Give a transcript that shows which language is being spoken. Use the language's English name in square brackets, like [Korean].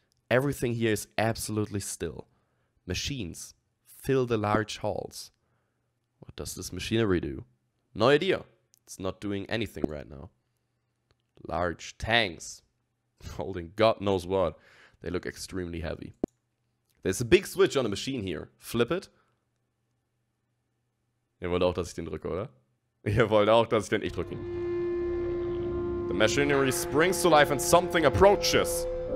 [English] Everything here is absolutely still. Machines fill the large halls. What does this machinery do? No idea. It's not doing anything right now. Large tanks. Holding God knows what. They look extremely heavy. There's a big switch on the machine here. Flip it. [German] Ihr wollt auch, dass ich den drücke, oder? Ihr wollt auch, dass ich den... Ich drücke ihn. [English] The machinery springs to life and something approaches.